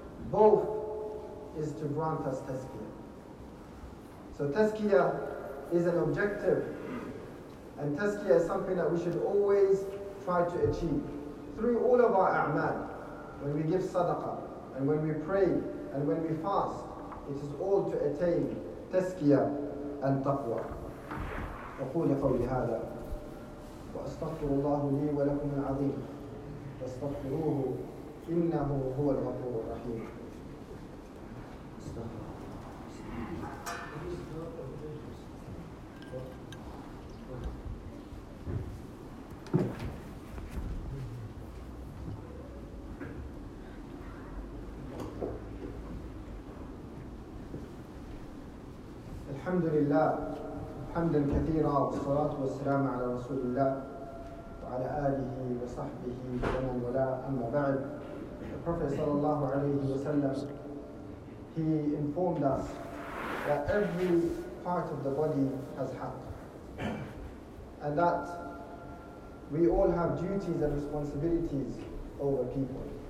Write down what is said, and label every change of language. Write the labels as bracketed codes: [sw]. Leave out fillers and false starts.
[en] Both is to grant us tazkiyah. So tazkiyah is an objective. And tazkiyah is something that we should always try to achieve. Through all of our a'mal, when we give sadaqah, and when we pray, and when we fast, it is all to attain tazkiyah and taqwa. [ar] أقول قولي هذا وأستغفر الله لي ولكم العظيم فاستغفروه إنه هو الغفور الرحيم. الحمد لله حمدا كثيرا والصلاة والسلام على رسول الله وعلى آله وصحبه ومن والاه. أما بعد, [en] the Prophet [ar] صلى الله عليه وسلم, [en] he informed us that every part of the body has haq, and that we all have duties and responsibilities over people.